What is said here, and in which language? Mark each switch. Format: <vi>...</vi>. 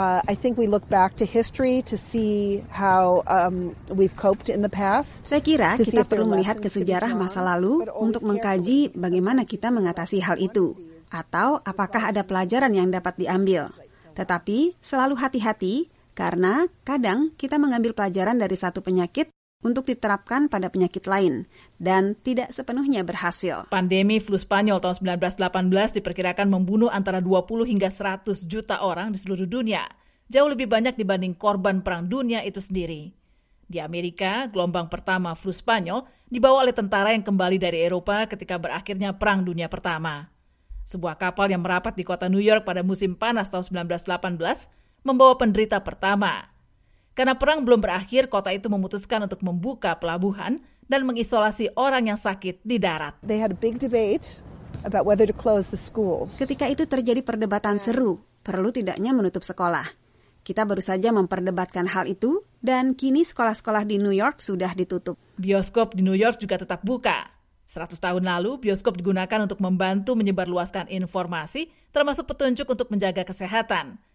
<en>I think we look back to history to see how we've coped in the past.</en> <id>Saya kira kita perlu melihat ke sejarah masa lalu untuk mengkaji bagaimana kita mengatasi hal itu atau apakah ada pelajaran yang dapat diambil. Tetapi selalu hati-hati karena kadang kita mengambil pelajaran dari satu penyakit untuk diterapkan pada penyakit lain, dan tidak sepenuhnya berhasil. Pandemi flu Spanyol tahun 1918 diperkirakan membunuh antara 20 hingga 100 juta orang di seluruh dunia, jauh lebih banyak dibanding korban perang dunia itu sendiri. Di Amerika, gelombang pertama flu Spanyol dibawa oleh tentara yang kembali dari Eropa ketika berakhirnya Perang Dunia Pertama. Sebuah kapal yang merapat di kota New York pada musim panas tahun 1918 membawa penderita pertama. Karena perang belum berakhir, kota itu memutuskan untuk membuka pelabuhan dan mengisolasi orang yang sakit di darat.</id> <en>They had a big debate about whether to close the schools.</en> <id>Ketika itu terjadi perdebatan seru, perlu tidaknya menutup sekolah. Kita baru saja memperdebatkan hal itu, dan kini sekolah-sekolah di New York sudah ditutup. Bioskop di New York juga tetap buka. 100 tahun lalu, bioskop digunakan untuk membantu menyebarluaskan informasi, termasuk petunjuk untuk menjaga kesehatan.</id>